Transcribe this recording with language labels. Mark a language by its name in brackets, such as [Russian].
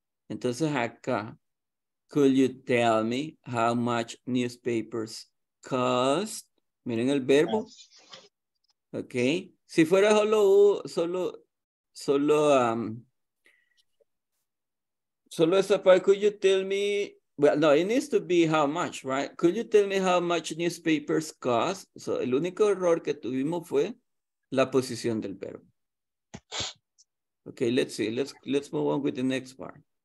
[Spanish] Entonces acá. [English] Could you tell me how much newspapers cost? [Spanish] Miren el verbo. [English] Okay. [Spanish] Si fuera solo esta parte, [English] could you tell me, well, no, it needs to be how much, right? Could you tell me how much newspapers cost? [Spanish] So, el único error que tuvimos fue la posición del verbo. [English] Okay, let's see, let's move on with the next part.